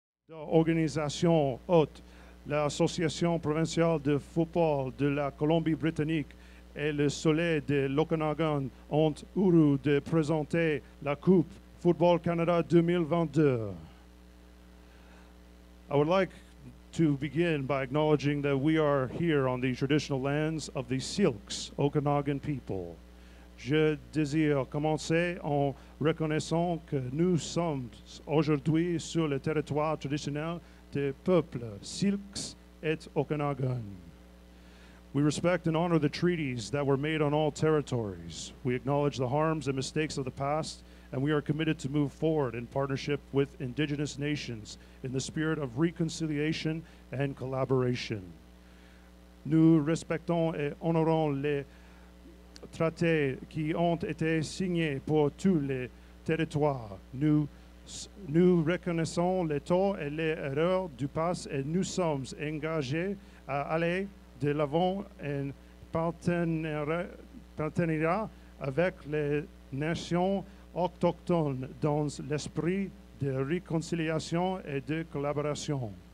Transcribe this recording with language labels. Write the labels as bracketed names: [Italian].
[French] Organisation haute, l'Association provinciale de football de la Colombie-Britannique et le Soleil de l'Okanagan ont honte de présenter la Coupe Football Canada 2022. [English] I would like to begin by acknowledging that we are here on the traditional lands of the Silks, Okanagan people. [French] Je désire commencer en reconnaissant que nous sommes aujourd'hui sur le territoire traditionnel des peuples Silks et Okanagan. [English] We respect and honor the treaties that were made on all territories. We acknowledge the harms and mistakes of the past, and we are committed to move forward in partnership with Indigenous nations in the spirit of reconciliation and collaboration. [French] Nous respectons et honorons les traités qui ont été signés pour tous les territoires. Nous reconnaissons les torts et les erreurs du passé et nous sommes engagés à aller de l'avant en partenariat avec les nations autochtones dans l'esprit de réconciliation et de collaboration.